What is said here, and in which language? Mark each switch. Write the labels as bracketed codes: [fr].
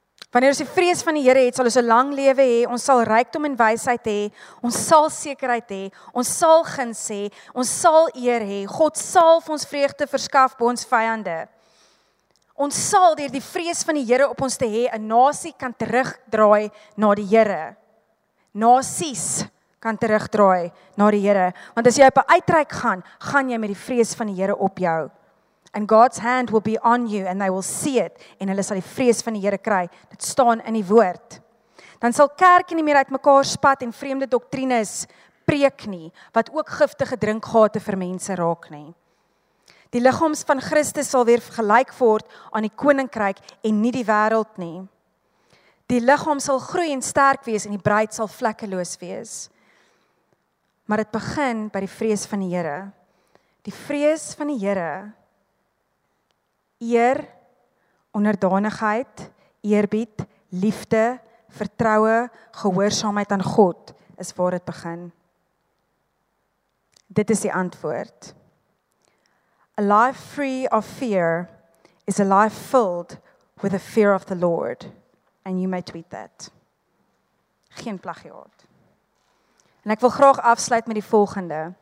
[af] Wanneer ons die vrees van die Here het, sal ons 'n lang lewe hê, ons sal rykdom en wysheid hê, ons sal sekerheid hê, ons sal guns hê, ons sal eer hê, God sal vir ons vreugde verskaf bo ons vyande. Ons sal deur die vrees van die Here op ons te hê, 'n nasie kan terugdraai na die Here. Nasies kan terugdraai na die Here. Want as jy op 'n uitreik gaan, gaan jy met die vrees van die Here op jou. [en] And God's hand will be on you and they will see it. [af] En hulle sal die vrees van die Here kry. Dit staan in die woord. Dan sal kerk nie meer uitmekaar spat en vreemde doktrines preek nie, wat ook giftige drinkgate vir mense raak nie. Die liggaams van Christus sal weer gelyk word aan die koninkryk en nie die wêreld nie. Die liggaam sal groei en sterk wees en die bruid sal vlekkeloos wees. Maar dit begin by die vrees van die Here. Die vrees van die Here. Eer, onderdanigheid, eerbied, liefde, vertroue, gehoorsaamheid aan God is waar dit begin. Dit is die antwoord. [en] A life free of fear is a life filled with the fear of the Lord. And you may tweet that. [af] Geen plagiaat. En ek wil graag afsluit met die volgende.